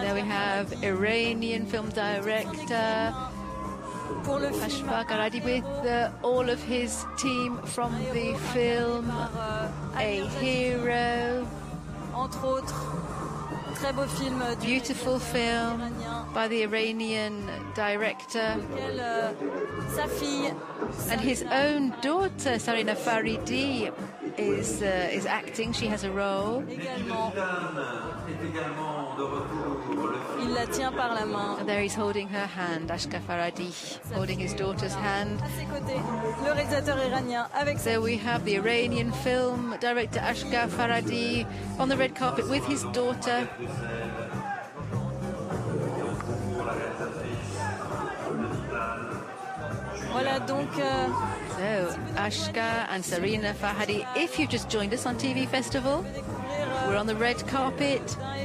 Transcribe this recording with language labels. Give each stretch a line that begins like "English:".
English: There we have Iranian film director Ashfaq Aradi with all of his team from the film A Hero.
French: Entre autres, très beau film.
English: Beautiful film. by the Iranian director.
French: Sa fille,
English: and his own daughter, Sarina Faridi, is acting. She has a role.
French: Il la tient par la main.
English: And there he's holding her hand, Ashka Faradi, holding his daughter's hand.
French: À ses côtés, le réalisateur iranien avec
English: so we have the Iranian film director Ashka Faradi on the red carpet with his daughter.
French: Voilà donc.
English: So Ashka and Sarina Fahadi, if you've just joined us on TV Festival, we're on the red carpet.